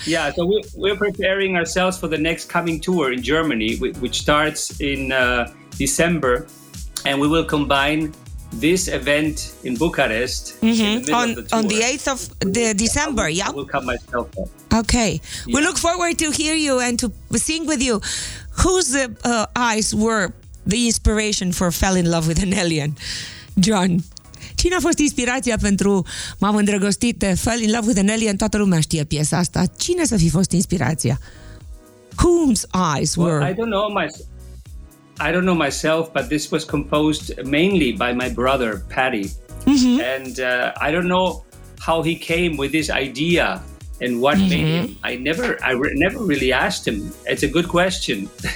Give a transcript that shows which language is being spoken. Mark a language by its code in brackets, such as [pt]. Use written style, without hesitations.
[en] yeah, so we're preparing ourselves for the next coming tour in Germany, which starts in December, and we will combine this event in Bucharest on the 8th of December. Yeah, I will cut myself off. Okay, yeah. We look forward to hear you and to sing with you. Whose eyes were the inspiration for Fell in Love with an Alien, John? [ro] Cine a fost inspirația pentru M-am îndrăgostit de Fell in Love with an Alien? Toată lumea știe piesa asta. Cine să fi fost inspirația? [en] Whose eyes were? Well, I don't know myself, but this was composed mainly by my brother, Paddy. Mm-hmm. And I don't know how he came with this idea and what mm-hmm. made him. I never really asked him. It's a good question.